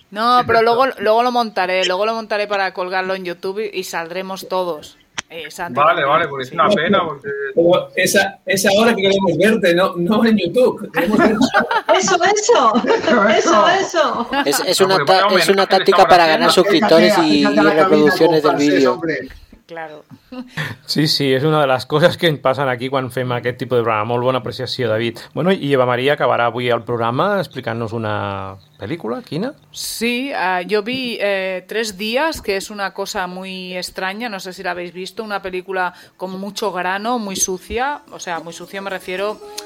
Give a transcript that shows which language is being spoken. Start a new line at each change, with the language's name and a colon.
Spanish: No, pero luego lo montaré, para colgarlo en YouTube y saldremos todos. Vale, porque es una pena. Porque... Esa hora que queremos verte, no en YouTube. Eso. Es una táctica para ganar suscriptores y reproducciones del vídeo. claro.
Catalan: Sí, sí, és una de les coses que passen aquí quan fem aquest tipus de programa. Molt bona apreciació, David. Bueno, i Eva Maria acabarà avui el programa explicant-nos una pel·lícula, quina?
Spanish: Sí,
Catalan: jo vi
Spanish: Tres dies,
Catalan: que és una cosa
Spanish: muy estranya, no sé si la habéis visto, una pel·lícula con mucho grano, muy sucia, o sea, muy sucia me refiero...